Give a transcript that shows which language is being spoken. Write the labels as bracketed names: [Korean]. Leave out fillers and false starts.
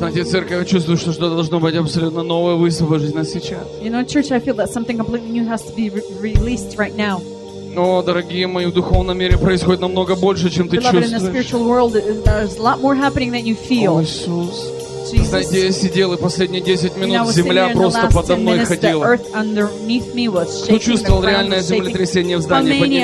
[Russian] Церковь, я чувствую, что что-то должно быть абсолютно новое высвобождено сейчас. [English] You know, church, I feel that something completely new has to be released right now. [Russian] О, дорогие мои, в духовном мире происходит намного больше, чем ты чувствуешь. [English] Beloved, in the spiritual world, there's a lot more happening than you feel. [Russian] О, Иисус. Знаете, я сидел, и последние 10 минут земля просто подо мной ходила. Кто чувствовал реальное землетрясение в здании?